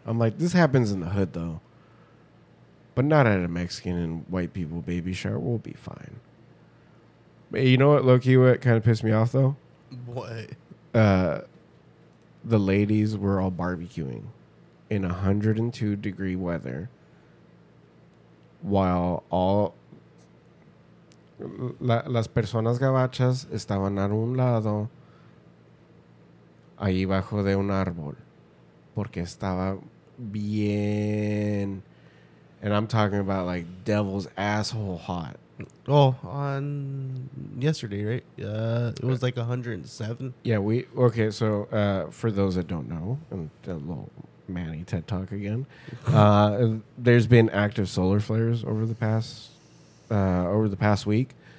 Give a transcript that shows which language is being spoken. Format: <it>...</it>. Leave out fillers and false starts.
<en>I'm like, this happens in the hood, though. But not at a Mexican and white people baby shower. We'll be fine. But you know what, low-key, what kind of pissed me off, though? What? The ladies were all barbecuing in 102-degree weather while all...</en> <es>Las personas gabachas estaban a un lado ahí bajo de un árbol porque estaba bien</es> <en>And I'm talking about like devil's asshole hot. Oh, on yesterday, right? It was like 107. Yeah, we okay. So for those that don't know, and a little Manny TED talk again. there's been active solar flares over the past week.</en>